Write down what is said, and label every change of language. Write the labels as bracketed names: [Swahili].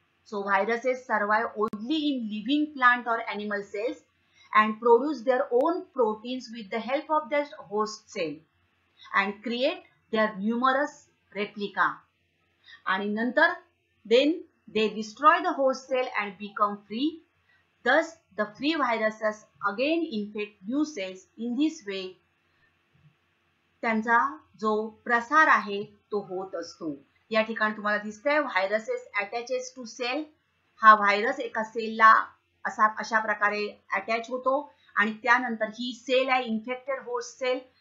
[English] So viruses survive only in living plant or animal cells and produce their own proteins with the help of their host cell and create their numerous replica. [Marathi] आणि नंतर [English] Then they destroy the host cell and become free. Thus the free viruses again infect new cells. In this way [Marathi] त्यांचा जो प्रसार आहे तो होत असतो. या ठिकाणी तुम्हाला दिसतंय [English] Viruses attaches to cell. [Marathi] हा व्हायरस एका सेलला असा अशा प्रकारे अटॅच होतो आणि त्यानंतर ही सेल आहे इन्फेक्टेड होस्ट सेल.